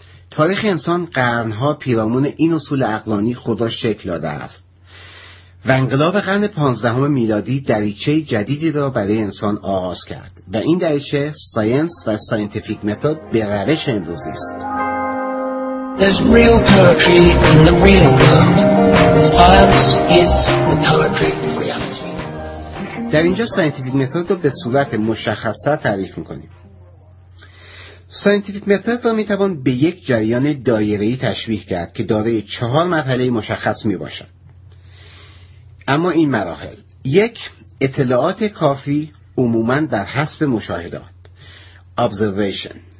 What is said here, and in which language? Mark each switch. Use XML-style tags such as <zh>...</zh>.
<fa>تاریخ انسان قرن‌ها پیرامون این اصول عقلانی خود را شکل داده است و انقلاب قرن 15 میلادی دریچه جدیدی را برای انسان آغاز کرد و این دریچه ساینس و ساینتیفیک متد به روش امروزی است.</fa> <en>There's real poetry in the real world. Science is the poetry of reality.</en> <fa>در اینجا ساینتیفیک متد را به صورت مشخص‌تر تعریف می‌کنیم. ساینتیفیک متد را می‌توان به یک جریان دایره‌ای تشبیه کرد که دارای 4 مرحله مشخص می‌باشد. اما این مراحل: 1. اطلاعات کافی عموماً بر حسب مشاهدات observation.</fa>